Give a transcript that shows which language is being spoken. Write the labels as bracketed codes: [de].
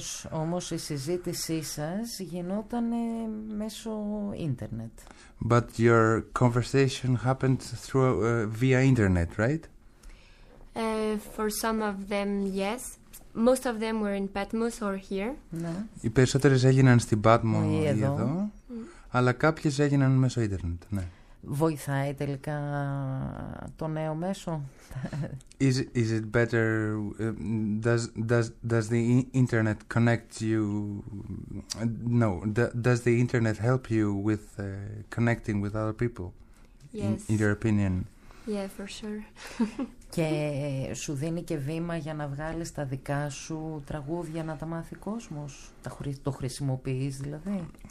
[el] Όμως η συζήτησή σας γινόταν μέσω ίντερνετ. [en] But your conversation happened through via internet, right? For some of them, yes. Most of them were in Patmos or here. [el] Ναι. Οι περισσότερες έγιναν στην Πάτμο ή εδώ. Mm. Αλλά κάποιες έγιναν μέσω ίντερνετ, ναι. Βοηθάει τελικά το νέο μέσο? [en] Is it better? Does the internet connect you? No. Does the internet help you with connecting with other people? Yes. In your opinion? Yeah, for sure. [el] Και σου δίνει και βήμα για να βγάλεις τα δικά σου τραγούδια να τα μάθει ο κόσμος. Το χρησιμοποιείς δηλαδή?